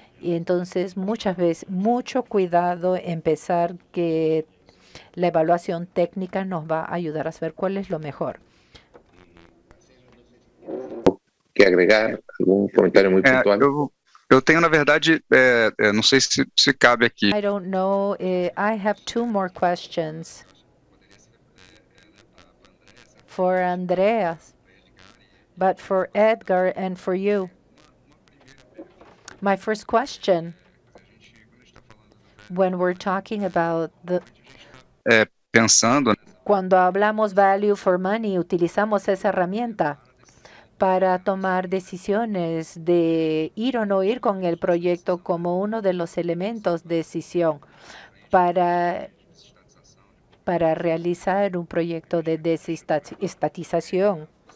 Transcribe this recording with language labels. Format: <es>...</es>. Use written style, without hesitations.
<es>Y entonces, muchas veces, mucho cuidado empezar que la evaluación técnica nos va a ayudar a saber cuál es lo mejor. ¿Quiere agregar algún comentario muy puntual? Yo tengo, la verdad, no sé si cabe aquí.</es> <en>I don't know. I have two more questions for Andreas, but for Edgar and for you. My first question, when we're talking about the...</en> <es>Pensando... Cuando hablamos value for money, utilizamos esa herramienta para tomar decisiones de ir o no ir con el proyecto como uno de los elementos de decisión para realizar un proyecto de desestatización.</es>